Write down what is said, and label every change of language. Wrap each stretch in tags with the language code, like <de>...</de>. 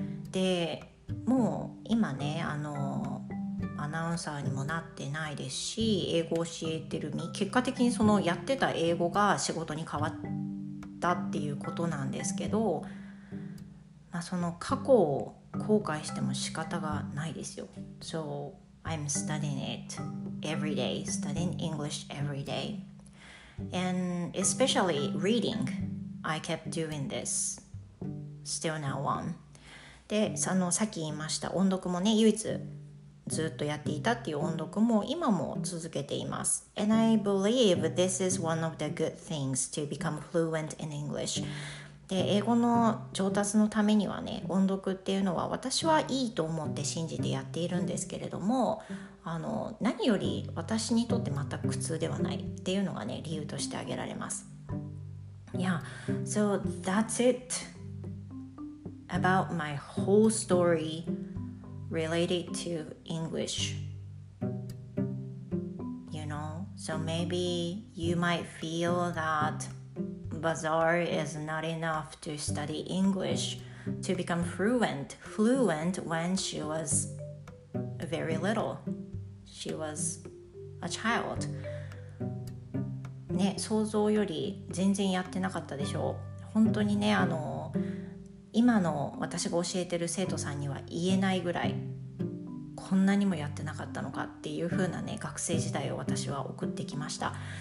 <ja>でもう今ねアナウンサーにもなってないですし、英語を教えてる身、結果的にそのやってた英語が仕事に変わったっていうことなんですけど、まあ、その過去を後悔しても仕方がないですよ。</ja> <en>So I'm studying it every day, studying English every day. And especially reading, I kept doing this. Still now on.</en> <ja>で、そのさっき言いました音読もね、唯一ずっとやっていたっていう音読も今も続けています。</ja> <en>And I believe this is one of the good things to become fluent in English.</en> <ja>で、英語の上達のためにはね、音読っていうのは私はいいと思って信じてやっているんですけれども、何より私にとって全く苦痛ではないっていうのがね、理由として挙げられます。</ja> <en>Yeah, so that's it about my whole story related to English. You know, so maybe you might feel thatBazaar is not enough to study English to become fluent when she was very little. She was a child.</en> <ja>ね、想像より全然やってなかったでしょう。本当にね、今の私が教えてる生徒さんには言えないぐらい、こんなにもやってなかったのかっていう風なね、学生時代を私は送ってきました。</ja>